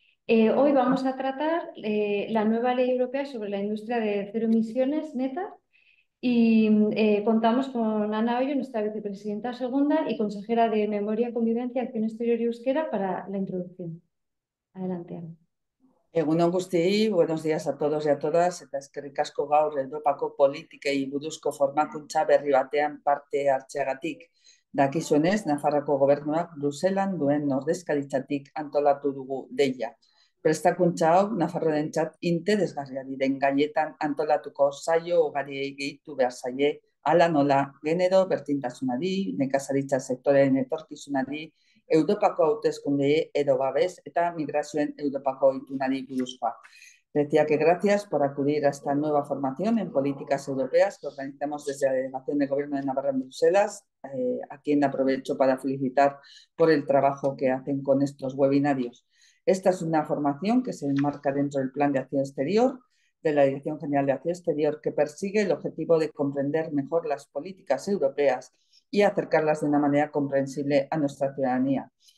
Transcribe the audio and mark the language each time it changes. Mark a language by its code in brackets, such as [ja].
[es] Hoy vamos a tratar la nueva ley europea sobre la industria de cero emisiones neta y contamos con Ana Ollo, nuestra vicepresidenta segunda y consejera de Memoria, Convivencia, Acción Exterior y Euskera para la introducción. Adelante, Ana. [eu] Egunon guztiei, [es] buenos días a todos y a todas, [eu] eta eskerrik asko gaur Europako politikei buruzko formakuntza berri batean parte hartzeagatik. Dakizuenez, Nafarroako gobernuak Bruselan duen ordezkaritzatik antolatu dugu deia. Prestakuntza hau, Nafarroarentzat interesgarria diren gaietan antolatuko saio ugariei gehitu behar zaie, hala nola, genero berdintasunari, nekazaritza sektoreen etorkizunari, Europako hauteskundeei edo babes eta migrazioen Europako itunari buruzkoa. [es] Decía que gracias por acudir a esta nueva formación en políticas europeas que organizamos desde la Delegación de Gobierno de Navarra en Bruselas, a quien aprovecho para felicitar por el trabajo que hacen con estos webinarios. Esta es una formación que se enmarca dentro del Plan de Acción Exterior de la Dirección General de Acción Exterior, que persigue el objetivo de comprender mejor las políticas europeas y acercarlas de una manera comprensible a nuestra ciudadanía.